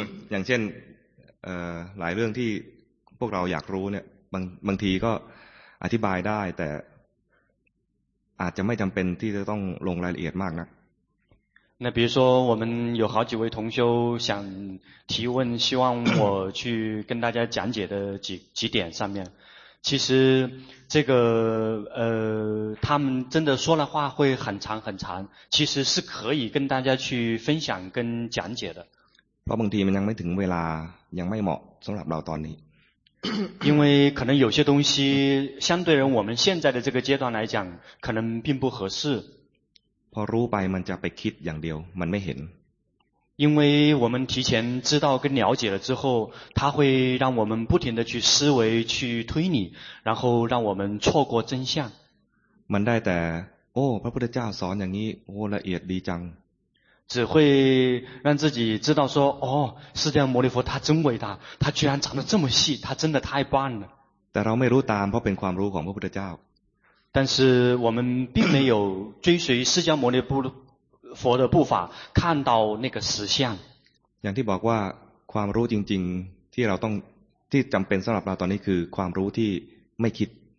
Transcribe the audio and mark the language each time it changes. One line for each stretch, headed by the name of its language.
Thai: อย่างเช่นหลายเรื่องที่พวกเราอยากรู้เนี่ยบางทีก็อธิบายได้แต่อาจจะไม่จำเป็นที่จะต้องลงรายละเอียดมากนัก
Chinese: 那比如说我们有好几位同修想提问希望我去跟大家讲解的几点上面其实这个他们真的说的话会很长很长其实是可以跟大家去分享跟讲解的
Thai: เพราะบางทีมันยังไม่ถึงเวลายังไม่เหมาะสำหรับเราตอนนี้
Chinese: 因为可能有些东西相对于我们现在的这个阶段来讲可能并不合适
Thai: พอรู้ไปมันจะไปคิดอย่างเดียวมันไม่เห็น
Chinese: 因为我们提前知道跟了解了之后它会让我们不停的去思维去推理然后让我们错过真相
Thai: มันได้แต่โอ้พระพุทธเจ้าสอนอย่างนี้โอ้ละเอียดดีจัง
Chinese: 只会让自己知道说哦释迦牟尼佛他真伟大他居然讲得这么细他真的太棒了
Thai: แต่เราไม่รู้ตามเพราะเป็นความรู้ของพระพุทธเจ้า
Chinese: 但是我们并没有追随释迦牟尼佛的步伐，看到那个实相。
Thai: อย่างที่บอกว่าความรู้จริงๆที่เราต้องที่จำเป็นสำหรับเราตอนนี้คือความรู้ที่ไม่คิด